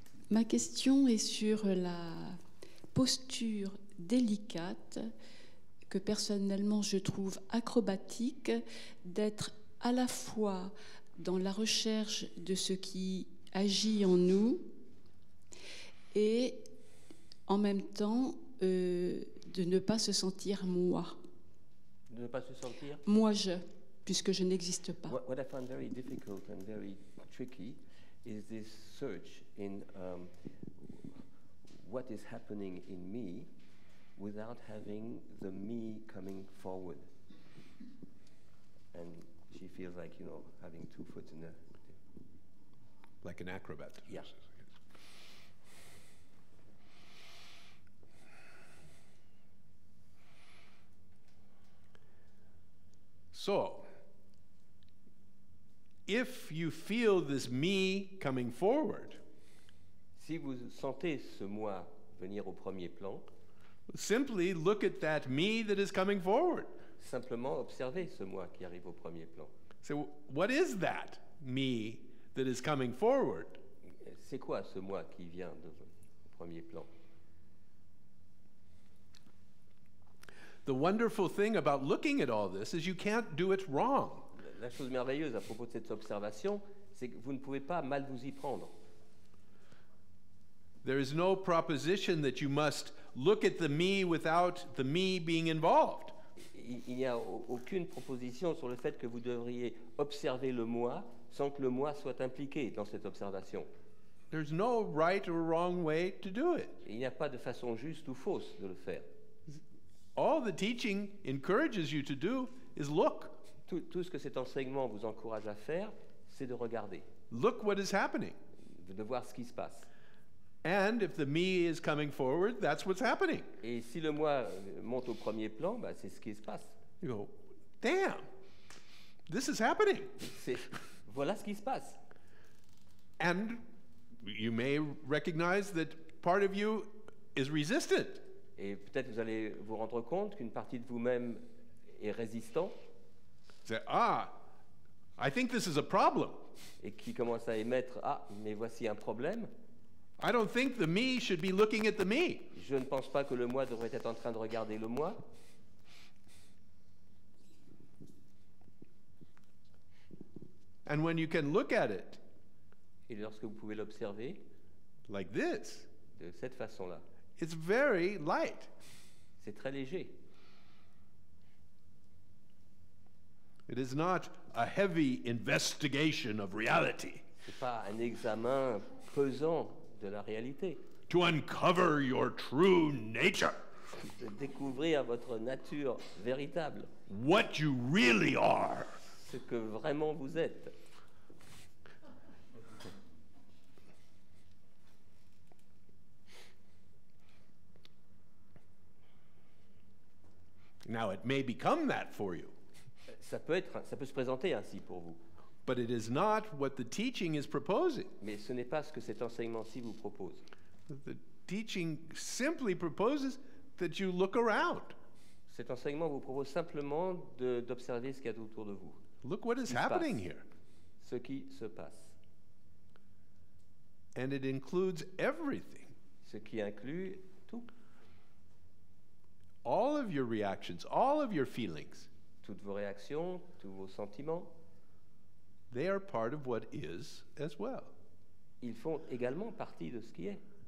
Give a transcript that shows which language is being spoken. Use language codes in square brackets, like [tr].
[fr] Ma question est sur la posture délicate que personnellement je trouve acrobatique d'être à la fois dans la recherche de ce qui agit en nous et en même temps de ne pas se sentir moi. De ne pas se sentir moi-je. Puisque je n'existe pas. [en] What I find very difficult and very tricky is this search in what is happening in me without having the me coming forward. And she feels like, you know, having 2 foot in the... Like an acrobat. Yeah. So... If you feel this me coming forward, [fr] si vous sentez ce moi venir au premier plan, [en] simply look at that me that is coming forward. [fr] Simplement observez ce moi qui arrive au premier plan. [en] So what is that me that is coming forward? [fr] C'est quoi ce moi qui vient au premier plan? [en] The wonderful thing about looking at all this is you can't do it wrong. [fr] La chose merveilleuse à propos de cette observation, c'est que vous ne pouvez pas mal vous y prendre. [en] There is no proposition that you must look at the me without the me being involved. [fr] Il n'y a aucune proposition sur le fait que vous devriez observer le moi sans que le moi soit impliqué dans cette observation. [en] There's no right or wrong way to do it. [fr] Il n'y a pas de façon juste ou fausse de le faire. [en] All the teaching encourages you to do is look. [fr] Tout ce que cet enseignement vous encourage à faire, c'est de regarder. [en] Look what is happening. [fr] De voir ce qui se passe. [en] And if the me is coming forward, that's what's happening. [fr] Et si le moi monte au premier plan, bah, c'est ce qui se passe. [en] You go, damn, this is happening. [fr] Voilà ce qui se passe. [en] And you may recognize that part of you is resistant. [fr] Et peut-être vous allez vous rendre compte qu'une partie de vous-même est résistante. [en] Say, ah, I think this is a problem. [fr] Et qui commence à émettre, ah, mais voici un problème. [en] I don't think the me should be looking at the me. [fr] Je ne pense pas que le moi devrait être en train de regarder le moi. [en] And when you can look at it. [fr] Et lorsque vous pouvez l'observer. [en] Like this. [fr] De cette façon-là. [en] It's very light. [fr] C'est très léger. [en] It is not a heavy investigation of reality. [fr] C'est pas un examen pesant de la réalité. [en] To uncover your true nature. [fr] De découvrir votre nature véritable. [en] What you really are. [fr] Ce que vraiment vous êtes. [en] Now it may become that for you. [fr] Ça peut se présenter ainsi pour vous. [en] But it is not what the teaching is proposing. [fr] Mais ce n'est pas ce que cet enseignement-ci vous propose. [en] The teaching simply proposes that you look around. [fr] Cet enseignement vous propose simplement d'observer ce qu'il y a autour de vous. [en] Look what is happening here. [fr] Ce qui se passe. [en] And it includes everything. [fr] Ce qui inclut tout. [en] All of your reactions, all of your feelings. [fr] Toutes vos réactions, tous vos sentiments, [en] they are part of what is as well. [fr] Ils font également partie de ce qui est.